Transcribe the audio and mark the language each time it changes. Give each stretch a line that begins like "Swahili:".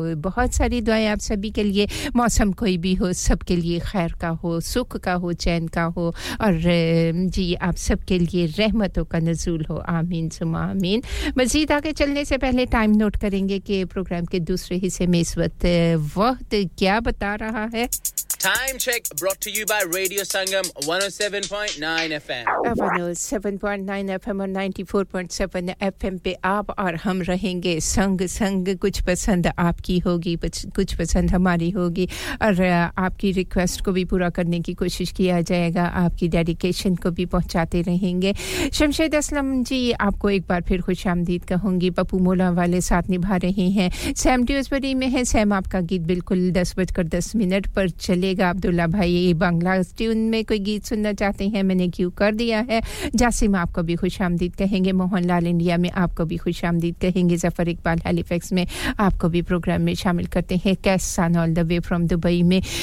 Hindi: बहुत सारी दुआएं आप सभी के लिए मौसम कोई भी हो सबके लिए खैर का हो सुख का हो चैन का हो और जी आप सबके लिए रहमतों का नजूल हो आमीन सुमा आमीन मजीद आगे चलने से पहले टाइम नोट करेंगे कि प्रोग्राम के दूसरे हिस्से में इस वक्त क्या बता रहा है
English: Time check brought to you by Radio Sangam 107.9 FM. 107.9 FM or 94.7 FM.
Hindi: पे आप और हम रहेंगे संग संग कुछ पसंद आपकी होगी कुछ पसंद हमारी होगी और आपकी request को भी पूरा करने की कोशिश किया जाएगा आपकी dedication को भी पहुंचाते रहेंगे शमशेद असलम जी आपको एक बार फिर खुशामदीद कहूंगी पप्पू मोला वाले साथ निभा रहे हैं सैम ड्यूसबरी में है सैम आपका गीत बिल्कुल 10:10 पर चले अब्दुल्ला भाई ये बंगला ट्यून में कोई गीत सुनना चाहते हैं मैंने क्यों कर दिया है जासिम आपको भी खुशामदीद कहेंगे मोहनलाल इंडिया में आपको भी खुशामदीद कहेंगे जफर इकबाल हैलिफैक्स में आपको भी प्रोग्राम में शामिल करते हैं कैसन all the way from Dubai में